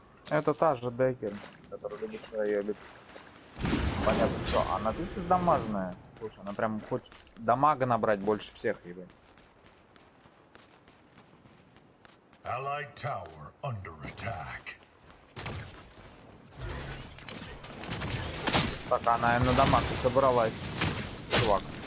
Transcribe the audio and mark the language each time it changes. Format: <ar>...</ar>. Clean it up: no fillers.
<ru>Это та же Деккер, которая любит свое лицо. Понятно, что она тут же дамажная. Слушай, она прям хочет дамага набрать больше всех, ебы.</ru> <en>Allied Tower under attack.</en> <ru>Так, она и на дамаг и собралась, чувак.</ru>